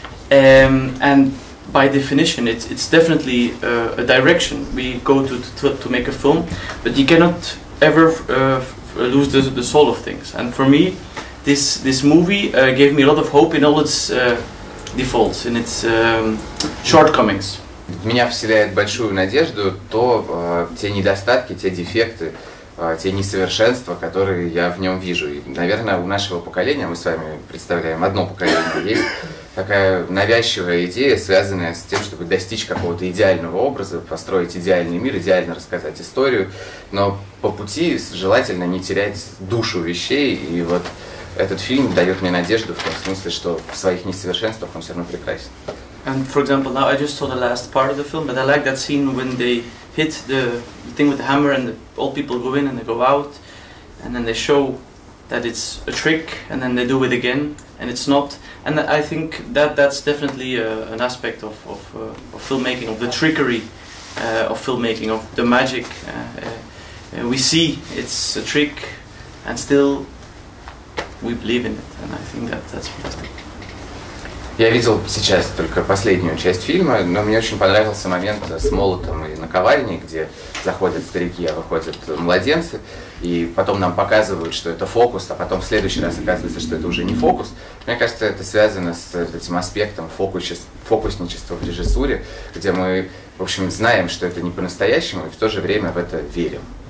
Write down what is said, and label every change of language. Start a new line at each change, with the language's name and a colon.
English: And by definition, it's definitely a direction we go to make a film, but you cannot ever lose the soul of things. And for me, This movie gave me a lot of hope in all its defaults, in its shortcomings.
Russian: Меня вселяет большую надежду то те недостатки, те дефекты, те несовершенства, которые я в нем вижу. И, наверное, у нашего поколения, мы с вами представляем одно поколение, есть такая навязчивая идея, связанная с тем, чтобы достичь какого-то идеального образа, построить идеальный мир, идеально рассказать историю, но по пути желательно не терять душу вещей. И вот этот фильм дает мне надежду в том смысле, что в своих несовершенствах он все равно прекрасен.
English: And for example, now I just saw the last part of the film, but I like that scene when they hit the thing with the hammer and all people go in and they go out, and then they show that it's a trick, and then they do it again, and it's not. And I think that's definitely an aspect of filmmaking, of the trickery of filmmaking, of the magic. We see it's a trick, and still we believe in it, and I think that's fantastic.
Russian: Я видел сейчас только последнюю часть фильма, но мне очень понравился момент с молотом и наковальней, где заходят старики, а выходят младенцы, и потом нам показывают, что это фокус, а потом в следующий раз оказывается, что это уже не фокус. Мне кажется, это связано с этим аспектом фокусничества в режиссуре, где мы, в общем, знаем, что это не по-настоящему, и в то же время в это верим.